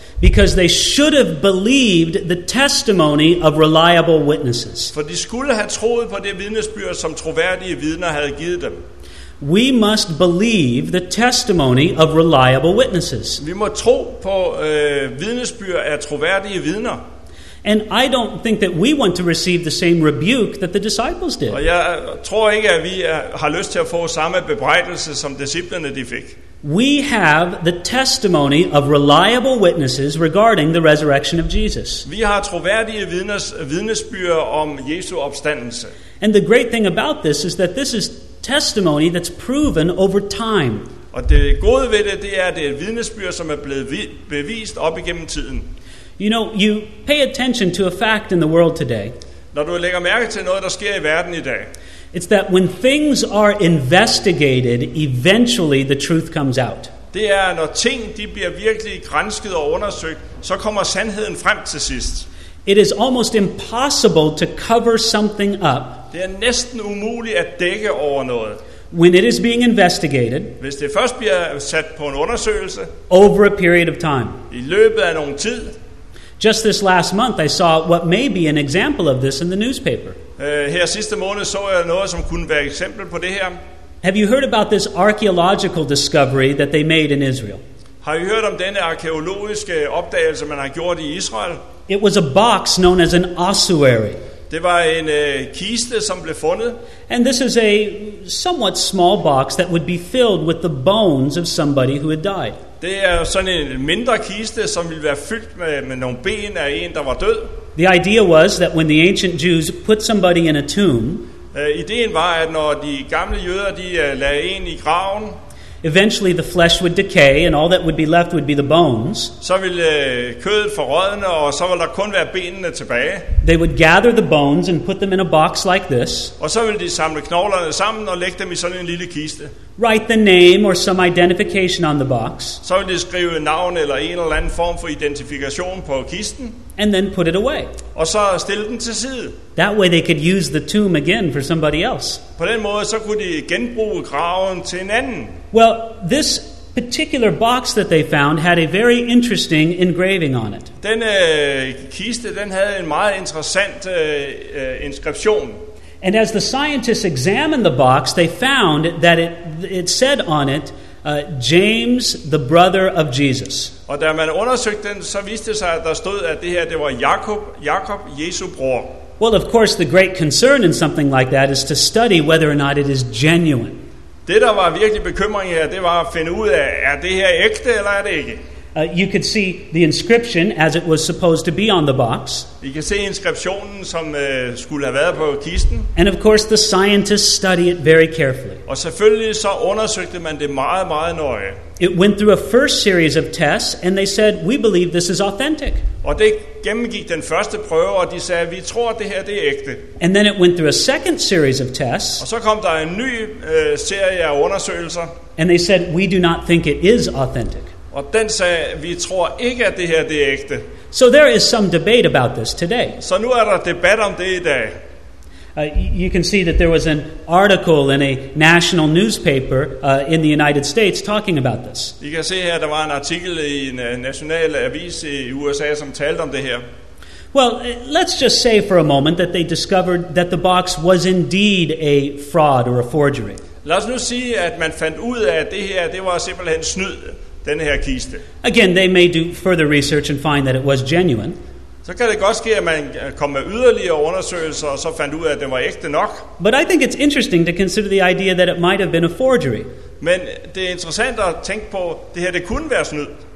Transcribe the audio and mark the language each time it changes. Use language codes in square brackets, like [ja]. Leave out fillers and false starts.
[en] Because they should have believed the testimony of reliable witnesses. [da] For de skulle have troet på det vidnesbyrd, som troværdige vidner havde givet dem. [en] We must believe the testimony of reliable witnesses. [da] Vi må tro på vidnesbyrd af troværdige vidner. [en] And I don't think that we want to receive the same rebuke that the disciples did. [da] Og jeg tror ikke, at vi har lyst til at få samme bebrejdelse, som disciplene de fik. [en] We have the testimony of reliable witnesses regarding the resurrection of Jesus. [da] Vi har troværdige vidnesbyrd om Jesu opstandelse. [en] And the great thing about this is that this is testimony that's proven over time. [da] Og det gode ved det, er, at det er et vidnesbyrd, som er blevet bevist op igennem tiden. [en] You know, you pay attention to a fact in the world today. [da] Når du lægger mærke til noget, der sker i verden i dag. [en] It's that when things are investigated, eventually the truth comes out. [da] Det er, når ting de bliver virkelig gransket og undersøgt, så kommer sandheden frem til sidst. [en] It is almost impossible to cover something up. [da] Det er næsten umuligt at dække over noget. [en] When it is being investigated, [da] hvis det først bliver sat på en undersøgelse, [en] over a period of time, [da] i løbet af nogen tid. [en] Just this last month, I saw what may be an example of this in the newspaper. [da] Her sidste måned så jeg noget, som kunne være eksempel på det her. [en] Have you heard about this archaeological discovery that they made in Israel? [da] Har I hørt om denne arkeologiske opdagelse, man har gjort i Israel? [en] It was a box known as an ossuary. [da] Det var en kiste, som blev fundet. [en] And this is a somewhat small box that would be filled with the bones of somebody who had died. [da] Det er sådan en mindre kiste, som ville være fyldt med nogle ben af en, der var død. [en] The idea was that when the ancient Jews put somebody in a tomb, [da] ideen var, at når de gamle jøder, de lagde en i graven, [en] eventually the flesh would decay and all that would be left would be the bones. [da] Så ville kødet forrådne, og så ville der kun være benene tilbage. [en] They would gather the bones and put them in a box like this. [da] Og så ville de samle knoglerne sammen og lægge dem i sådan en lille kiste. [en] Write the name or some identification on the box. [da] Så ville de skrive navn eller en eller anden form for identifikation på kisten. [en] And then put it away. [da] Og så stille den til side. [en] That way they could use the tomb again for somebody else. [da] På den måde så kunne de genbruge graven til en anden. [en] Well, this particular box that they found had a very interesting engraving on it. [da] Den kiste, den havde en meget interessant inskription. [en] And as the scientists examined the box, they found that it said on it, James, the brother of Jesus. [da] Og da man undersøgte den, så viste sig, at der stod, at det her, det var Jakob, Jesu bror. [en] Well, of course, the great concern in something like that is to study whether or not it is genuine. [da] Det, der var virkelig bekymring her, det var at finde ud af, er det her ægte, eller er det ikke? [en] You could see the inscription as it was supposed to be on the box. [da] I kan se inskriptionen, som skulle have været på kisten. [en] And of course, the scientists study it very carefully. [da] Og selvfølgelig så undersøgte man det meget, meget nøje. [en] It went through a first series of tests, and they said, we believe this is authentic. [da] Og det gennemgik den første prøve, og de sagde, vi tror, det her det er ægte. [en] And then it went through a second series of tests. [da] Og så kom der en ny serie af undersøgelser. [en] And they said, we do not think it is authentic. [da] Og den sagde, vi tror ikke, at det her det er ægte. [en] So there is some debate about this today. [da] Så nu er der debat om det i dag. [en] You can see that there was an article in a national newspaper in the United States talking about this. [da] I kan se her, der var en artikel i en national avis i USA, som talte om det her. [en] Well, let's just say for a moment that they discovered that the box was indeed a fraud or a forgery. [da] Lad os nu sige, at man fandt ud af, at det her, det var simpelthen snyd. Denne her kiste. [en] Again, they may do further research and find that it was genuine. [da] Så kan det godt ske, at man kom med yderligere undersøgelser og så fandt ud af, at det var ægte nok. [en] But I think it's interesting to consider the idea that it might have been a forgery. [da] Men det er interessant at tænke på, at det her det kunne være snyd.